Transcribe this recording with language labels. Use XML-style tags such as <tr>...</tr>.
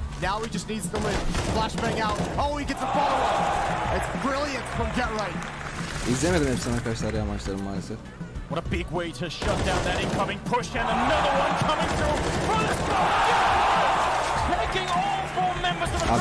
<en>Now he just needs to live. Flashbang out. Oh, he gets a follow up. It's brilliant from Getright.</en> <tr>İzlemedim hepsini arkadaşlar ya, maçlarım maalesef.</tr> <en>What a big way to shut down that incoming push, and another one coming through. For the score! Taking all four members of the team.</en>